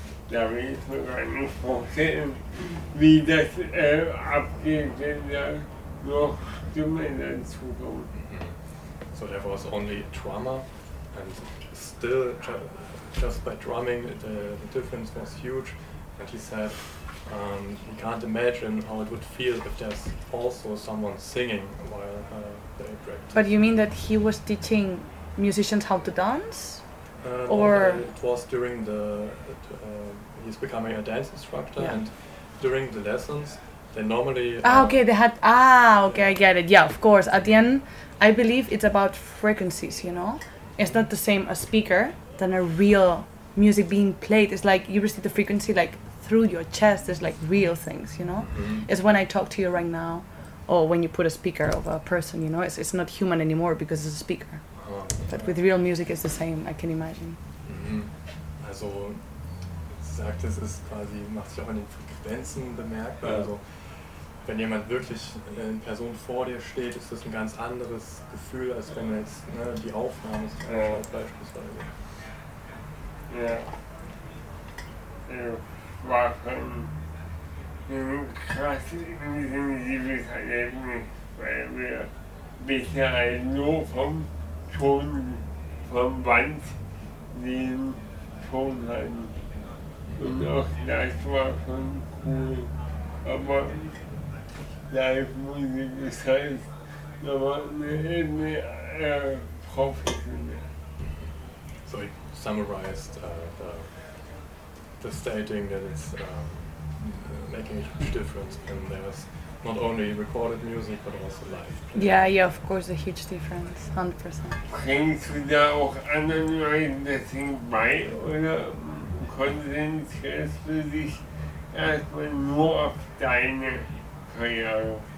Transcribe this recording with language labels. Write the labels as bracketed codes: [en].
[de] Da will ich mir gar nicht vorstellen, wie das abgeht, wenn da noch Stimmen dazukommen. [en] So there was only a drummer and still just by drumming the difference was huge. And he said, he can't imagine how it would feel if there's also someone singing while they practice. But you mean that he was teaching musicians how to dance? Or it was during the he's becoming a dance instructor, yeah. And during the lessons they normally okay they had okay, I get it, yeah, of course. At the end I believe it's about frequencies, you know. It's not the same a speaker than a real music being played. It's like you receive the frequency like through your chest. There's like real things, you know. Mm-hmm. It's when I talk to you right now or when you put a speaker of a person, you know, it's not human anymore because it's a speaker. But with real music it's the same, I can imagine. Mm-hmm. [de] Also, sie sagt, es ist quasi, macht sich auch an den Frequenzen bemerkbar. Ja. Also, wenn jemand wirklich in Person vor dir steht, ist das ein ganz anderes Gefühl, als wenn man jetzt ne, die Aufnahme ist, beispielsweise. Ja. Ich war schon ein krass intensives Erlebnis, weil wir bisher nur vom Ton vom Band den Ton haben. Und auch das war schon cool. Aber Live-Musik ist halt nochmal eine professionelle. [en] So he summarized the stating that it's making a huge difference and there's not only recorded music, but also live. Yeah, of course, a huge difference, 100%. [de] Bringst du da auch anderen Leuten das Ding bei oder konzentrierst du dich erstmal nur auf deine Karriere?